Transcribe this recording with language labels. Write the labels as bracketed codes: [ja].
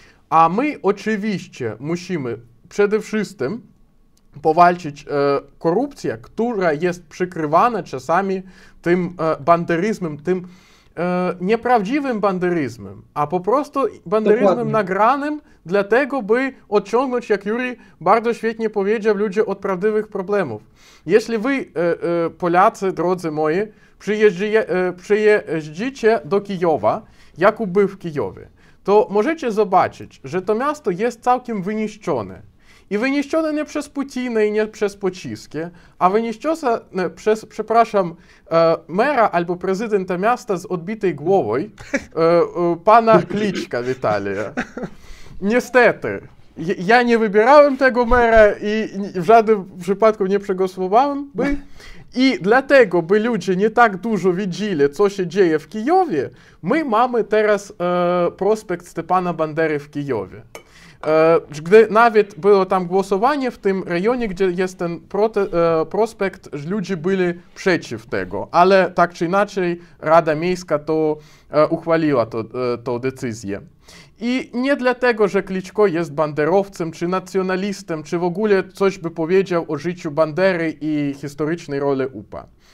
[pl] A my oczywiście musimy przede wszystkim powalczyć korupcję, która jest przykrywana czasami tym banderyzmem, tym nieprawdziwym banderyzmem, a po prostu banderyzmem nagranym, dlatego by odciągnąć, jak Juri bardzo świetnie powiedział, ludzi od prawdziwych problemów. Jeśli wy, Polacy, drodzy moi, przyjeżdżicie do Kijowa, Jakub był w Kijowie, to możecie zobaczyć, że to miasto jest całkiem wyniszczone. [uk] І винищено не через Путіна і не через почистки, а винищено через, припрошую, мера або президента міста з відбитою головою, пана Кличка Віталія. Нестети, я не вибирав того мера і в жодному випадку не проголосував би. І для того, би люди не так дуже відділи, що ще діє в Києві, ми маємо зараз проспект Степана Бандери в Києві. [pl] gdy nawet było tam głosowanie w tym rejonie, gdzie jest ten prospekt, że ludzie byli przeciw tego, ale tak czy inaczej Rada Miejska to uchwaliła tą decyzję. I nie dlatego, że Kliczko jest banderowcem, czy nacjonalistem, czy w ogóle coś by powiedział o życiu Bandery i historycznej roli UPA.